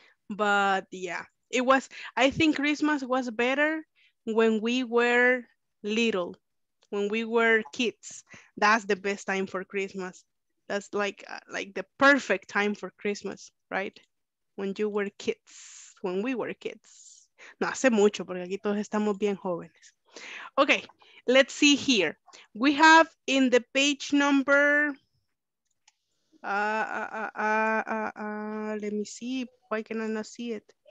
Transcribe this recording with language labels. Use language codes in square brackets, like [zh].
[en] But yeah, it was, I think Christmas was better when we were little, when we were kids. That's the best time for Christmas. That's like the perfect time for Christmas, right? When you were kids, when we were kids. [es] No hace mucho porque aquí todos estamos bien jóvenes. [en] Okay, let's see here. We have in the page number, let me see, why can I not see it?